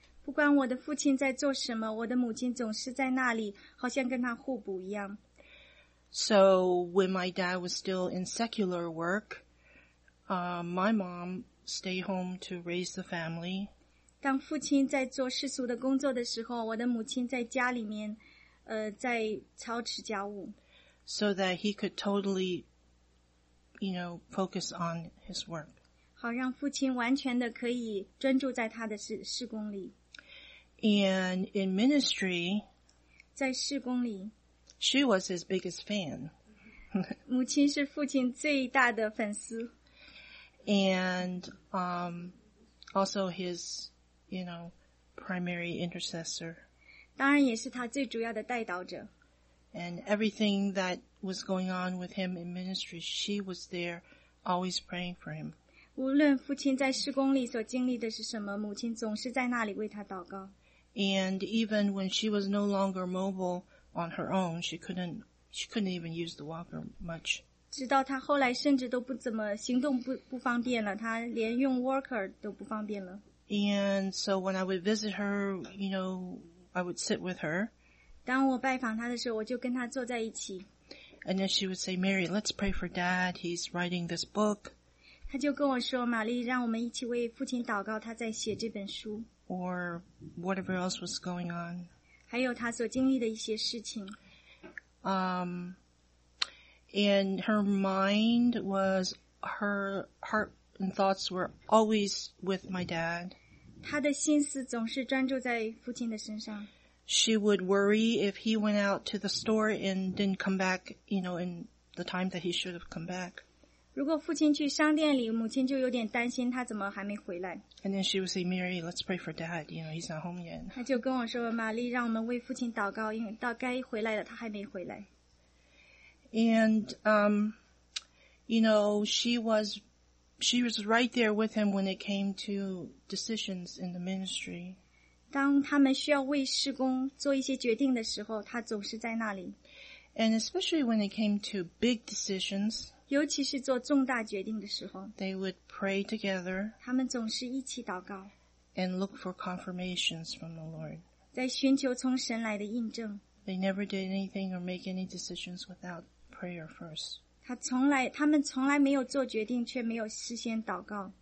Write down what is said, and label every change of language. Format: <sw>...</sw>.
<zh>不管我的父亲在做什么，我的母亲总是在那里，好像跟他互补一样。</zh> <en>So when my dad was still in secular work, my mom stayed home to raise the family.</en> <zh>当父亲在做世俗的工作的时候，我的母亲在家里面，在操持家务。</zh> <en>So that he could totally, you know, focus on his work.</en> <zh>好让父亲完全的可以专注在他的事工里。</zh> <en>And in ministry,</en> <zh>在事工里。</zh> <en>She was his biggest fan.</en> <zh>母亲是父亲最大的粉丝。</zh> <en>and also his, you know, primary intercessor.</en> <zh>当然也是他最主要的代祷者。</zh> <en>And everything that was going on with him in ministry, she was there always praying for him.</en> <zh>无论父亲在事工里所经历的是什么，母亲总是在那里为他祷告。</zh> <en>And even when she was no longer mobile on her own, she couldn't even use the walker much.</en> <zh>直到她后来甚至都不怎么行动不方便了，她连用 walker 都不方便了。</zh> <en>And so when I would visit her, you know, I would sit with her.</en> <zh>当我拜访她的时候，我就跟她坐在一起。</zh> <en>And then she would say, Mary, let's pray for Dad. He's writing this book.</en> <zh>她就跟我说，玛丽，让我们一起为父亲祷告，他在写这本书。</zh> <en>Or whatever else was going on.</en> <zh>还有她所经历的一些事情。</zh> <en>And her mind was, her heart and thoughts were always with my dad.</en> <zh>她的心思总是专注在父亲的身上。</zh> <en>She would worry if he went out to the store and didn't come back, you know, in the time that he should have come back.</en> <zh>如果父亲去商店里，母亲就有点担心他怎么还没回来。</zh> <en>And then she would say, Mary, let's pray for Dad, you know, he's not home yet.</en> <zh>她就跟我说，玛丽，让我们为父亲祷告，因为到该回来了，他还没回来。</zh> <en>And, you know, she was right there with him when it came to decisions in the ministry.</en> <zh>当他们需要为事工做一些决定的时候，他总是在那里。</zh> <en>And especially when it came to big decisions,</en> <zh>尤其是做重大决定的时候，</zh> <en>they would pray together,</en> <zh>他们总是一起祷告，</zh> <en>and look for confirmations from the Lord,</en> <zh>在寻求从神来的印证。</zh> <en>They never did anything or make any decisions without prayer first.</en> <zh>他们从来没有做决定，却没有事先祷告。</zh>